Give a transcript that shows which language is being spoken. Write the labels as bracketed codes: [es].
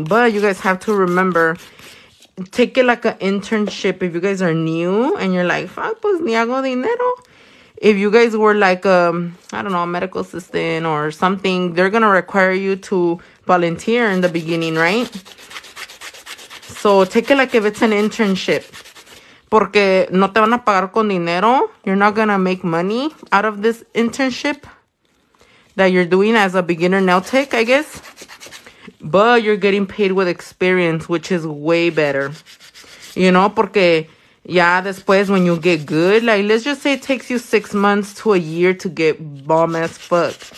[en] But you guys have to remember, take it like an internship. If you guys are new and you're like, fuck, [es] pues ni hago dinero. [en] If you guys were like, I don't know, a medical assistant or something, they're going to require you to volunteer in the beginning, right? So take it like if it's an internship. [es] Porque no te van a pagar con dinero. [en] You're not going to make money out of this internship that you're doing as a beginner nail tech, I guess. But you're getting paid with experience, which is way better. You know, [es] porque ya después [en] when you get good, like let's just say it takes you 6 months to a year to get bomb as fuck.